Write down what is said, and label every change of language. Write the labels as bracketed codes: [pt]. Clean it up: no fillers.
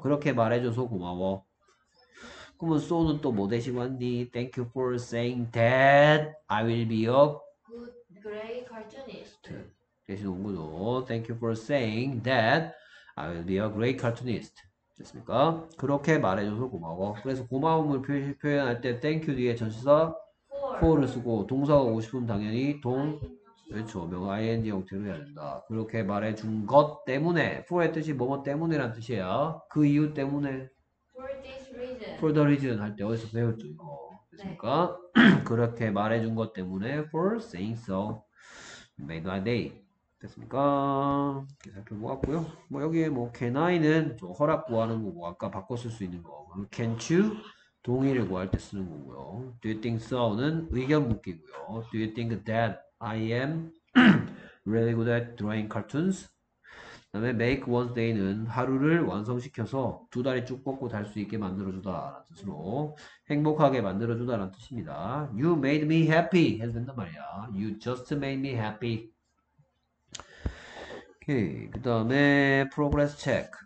[ko] 그렇게 말해줘서 고마워. 그러면 so는 또 뭐 대신 왔니? [en] Thank you for saying that I will be a good great cartoonist. [ko] 대신 온 거죠. [en] Thank you for saying that. I will be a great cartoonist. [ko] 됐습니까? 그렇게 말해줘서 고마워. 그래서 고마움을 표현할 때 thank you 뒤에 전치사 for를 쓰고 동사가 오고 싶으면 당연히 동 그렇죠. 명 ing 형태로 해야 된다. 그렇게 말해준 것 때문에 for의 뜻이 뭐뭐 때문이란 뜻이에요. 그 이유 때문에 [en] for the reason [ko] 할때 어디서 배웠죠 이거. 됐습니까? 그렇게 말해준 것 때문에 [en] for saying so made my day. [ko] 됐습니까? 이렇게 살펴보았고요. 뭐 여기에 뭐 can I는 좀 허락 구하는 거고 아까 바꿔 쓸수 있는 거. can you 동의를 구할 때 쓰는 거고요. [en] do you think so [ko] 는 의견 묻기고요. [en] do you think that I am really good at drawing cartoons? [ko] 그 다음에 make one day는 하루를 완성시켜서 두 다리 쭉 뻗고 달수 있게 만들어주다라는 뜻으로 행복하게 만들어주다라는 뜻입니다. [en] you made me happy [ko] 해도 된단 말이야. [en] you just made me happy. [ko] 오케이. 그 다음에 [en] progress check.